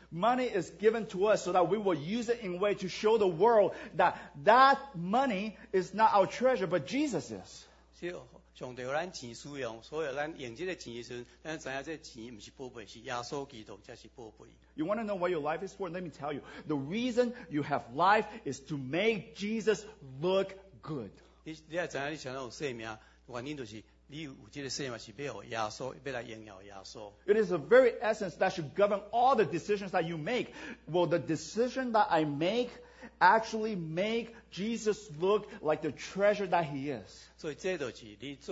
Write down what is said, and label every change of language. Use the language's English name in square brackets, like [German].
[English] Money is given to us so that we will use it in a way to show the world that that money is not our treasure, but Jesus is. [Min Nan Chinese] 上帝给咱钱使用，所以咱用这个钱的时候，咱知影这钱不是宝贝，是耶稣基督才是宝贝。 [English] You want to know what your life is for? Let me tell you. The reason you have life is to make Jesus look good. [Min Nan Chinese] 你也知影你想要有生命，原因就是你有这个生命是要耶稣，要来荣耀耶稣。 [English] It is the very essence that should govern all the decisions that you make. Will the decision that I make actually make Jesus look like the treasure that he is?